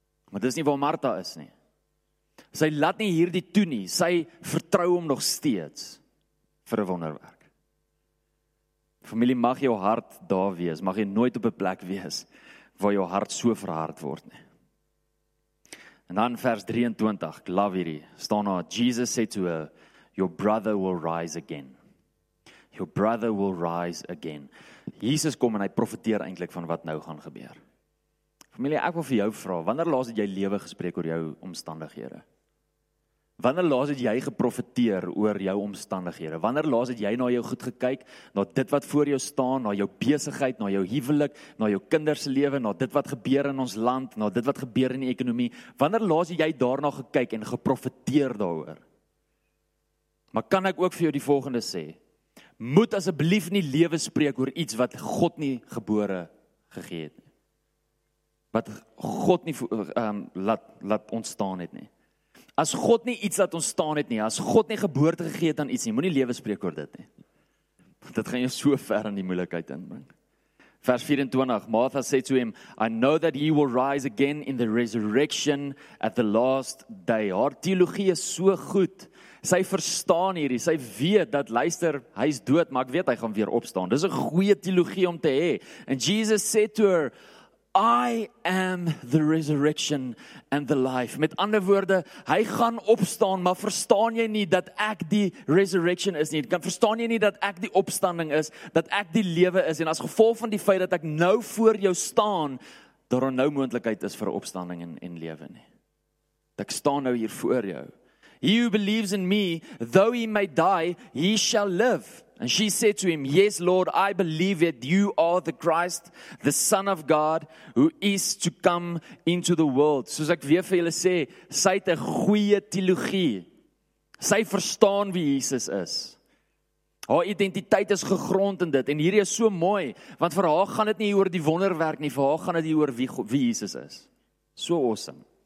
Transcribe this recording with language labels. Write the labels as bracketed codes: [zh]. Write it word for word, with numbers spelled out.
[af] Maar dis nie waar Martha is nie. Sy laat nie hierdie toe nie. Sy vertrou hom nog steeds vir 'n wonderwerk. Familie, mag jou hart daar wees. Mag jy nooit op 'n plek wees waar jou hart so verhard word nie. En dan vers drieëntwintig, ek love hierdie. Staan daar, [en] Jesus said to her, your brother will rise again. Your brother will rise again. [af] Jesus kom en hy profeteer eintlik van wat nou gaan gebeur. Familie, ek wil vir jou vra, wanneer laas het jy lewe gespreek oor jou omstandighede? Wanneer laas het jy geprofeteer oor jou omstandighede? Wanneer laas het jy na jou goed gekyk, na dit wat voor jou staan, na jou besigheid, na jou huwelik, na jou kinders se lewe, na dit wat gebeur in ons land, na dit wat gebeur in die ekonomie? Wanneer laas het jy daarna gekyk en geprofeteer daaroor? Maar kan ek ook vir jou die volgende sê? Moet asseblief nie lewe spreek oor iets wat God nie gebore gegee het nie. Wat God nie um, laat, laat ontstaan het nie. As God nie iets laat ontstaan het nie, as God nie geboorte gegee het aan iets nie, moenie lewe spreek oor dit nie. Dit gaan jou so ver in die moeilikheid inbring. [en] Vers twenty-four, Martha sê to him, I know that he will rise again in the resurrection at the last day. [af] Haar teologie is so goed. Sy verstaan hierdie, sy weet dat, luister, hy is dood, maar ek weet hy gaan weer opstaan. Dis 'n goeie teologie om te hê. [en] And Jesus said to her, I am the resurrection and the life. [af] Met ander woorde, hy gaan opstaan, maar verstaan jy nie dat ek die resurrection is nie? Kan verstaan jy nie dat ek die opstanding is, dat ek die lewe is, en as gevolg van die feit dat ek nou voor jou staan, daar nou moontlikheid is vir opstanding en, en lewe nie. Ek staan nou hier voor jou. [en] He who believes in me, though he may die, he shall live. And she said to him, Yes, Lord, I believe that you are the Christ, the Son of God, who is to come into the world. [af] Soos ek weer vir julle sê, sy het 'n goeie teologie. Sy verstaan wie Jesus is. Haar identiteit is gegrond in dit. En hierdie is so mooi, want vir haar gaan dit nie oor die wonderwerk nie, vir haar gaan dit oor wie, wie Jesus is. [en] So awesome.